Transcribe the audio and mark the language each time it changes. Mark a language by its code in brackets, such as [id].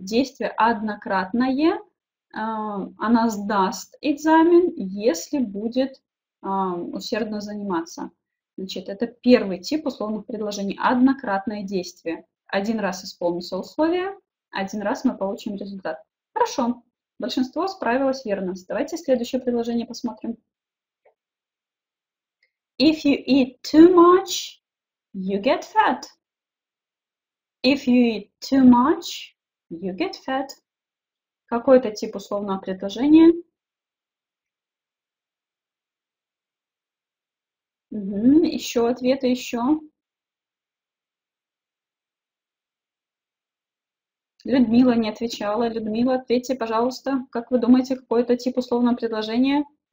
[ru] Действие однократное. Она сдаст экзамен, если будет усердно заниматься. Значит, это первый тип условных предложений. Однократное действие. Один раз исполнится условие, один раз мы получим результат. Хорошо. Большинство справилось верно. Давайте следующее предложение посмотрим. [en] If you eat too much, you get fat. If you eat too much, you get fat. [ru] Какой это тип условного предложения? Угу. Еще ответы, еще. Людмила не отвечала. Людмила, ответьте, пожалуйста. Как вы думаете, какой это тип условного предложения?